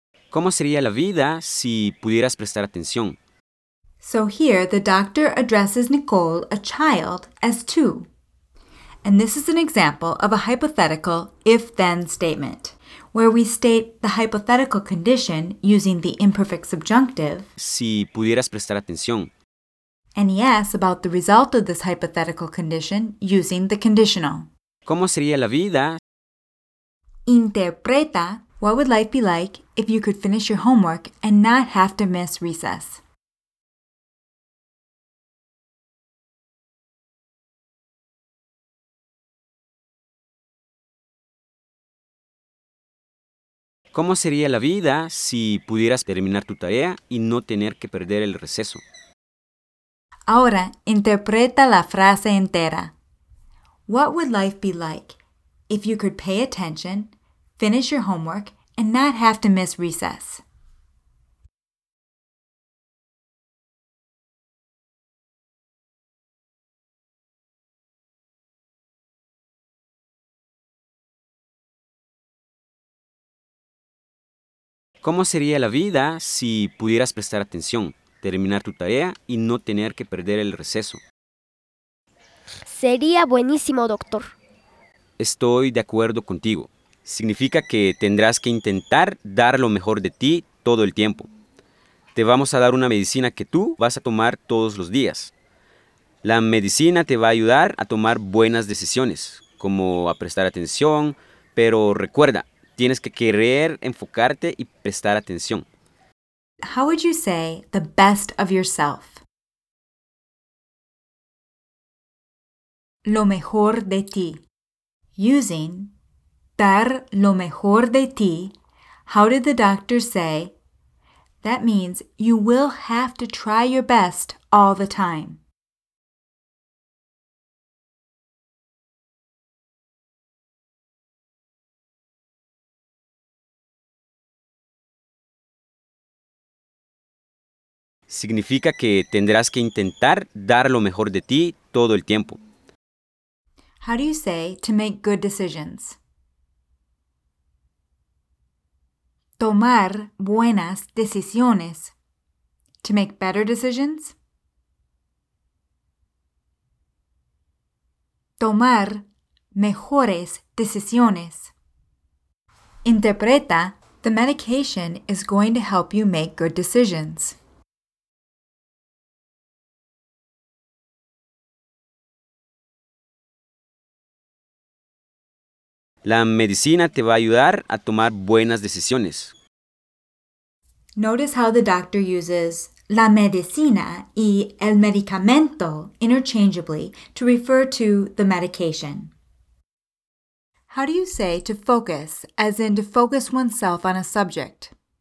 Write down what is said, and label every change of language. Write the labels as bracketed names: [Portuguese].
[Spanish] ¿Cómo sería la vida si pudieras prestar atención? [English] So here the doctor addresses Nicole, a child, as tú. And this is an example of a hypothetical if-then statement, where we state the hypothetical condition using the imperfect subjunctive, [Spanish] si pudieras prestar atención. [English] And he asks about the result of this hypothetical condition using the conditional. [Spanish] ¿Cómo sería la vida? Interpreta. [English] What would life be like if you could finish your homework and not have to miss recess? [Spanish] ¿Cómo sería la vida si pudieras terminar tu tarea y no tener que perder el receso? Ahora, interpreta la frase entera. [English] What would life be like if you could pay attention, finish your homework, and not have to miss recess? [Spanish] ¿Cómo sería la vida si pudieras prestar atención, terminar tu tarea y no tener que perder el receso? Sería buenísimo, doctor. Estoy de acuerdo contigo. Significa que tendrás que intentar dar lo mejor de ti todo el tiempo. Te vamos a dar una medicina que tú vas a tomar todos los días. La medicina te va a ayudar a tomar buenas decisiones, como a prestar atención, pero recuerda, tienes que querer enfocarte y prestar atención. [English] How would you say the best of yourself? [Spanish] Lo mejor de ti. [English] Using [Spanish] dar lo mejor de ti, [English] how did the doctor say? That means you will have to try your best all the time. [Spanish] Significa que tendrás que intentar dar lo mejor de ti todo el tiempo. [English] How do you say to make good decisions? [Spanish] Tomar buenas decisiones. [English] To make better decisions. [Spanish] Tomar mejores decisiones. Interpreta, [English] the medication is going to help you make good decisions. [Spanish] La medicina te va a ayudar a tomar buenas decisiones. [English] Notice how the doctor uses [Spanish] la medicina y el medicamento [English] interchangeably to refer to the medication. How do you say to focus, as in to focus oneself on a subject?